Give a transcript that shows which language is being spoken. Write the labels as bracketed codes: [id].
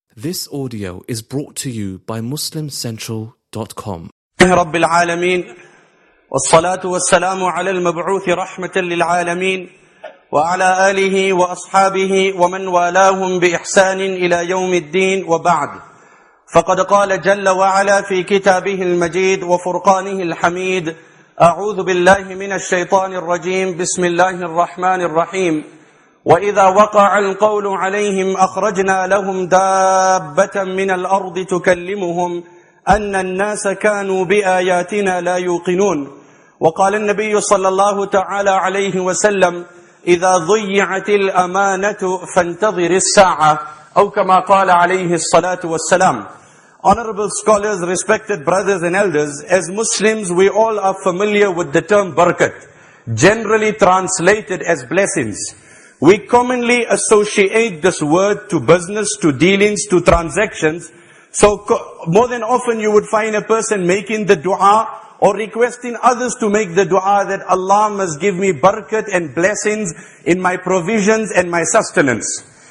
[en] This audio is brought to you by MuslimCentral.com. [ar] رب العالمين والصلاة والسلام على المبعوث رحمة للعالمين وعلى آله وأصحابه ومن والاهم بإحسان إلى يوم الدين وبعد. فقد قال جل وعلا في كتابه المجيد وفرقانه الحميد: أعوذ بالله من الشيطان الرجيم، بسم الله الرحمن الرحيم. وإذا وقع القول عليهم أخرجنا لهم دابة من الأرض تكلمهم أن الناس كانوا بآياتنا لا يوقنون. وقال النبي صلى الله تعالى عليه وسلم: إذا ضيعت الأمانة فانتظر الساعة، أو كما قال عليه الصلاة والسلام. [en] Honorable scholars, respected brothers and elders, as Muslims we all are familiar with the term barakat, generally translated as blessings. We commonly associate this word to business, to dealings, to transactions. So more than often you would find a person making the dua or requesting others to make the dua that Allah must give me barakat and blessings in my provisions and my sustenance.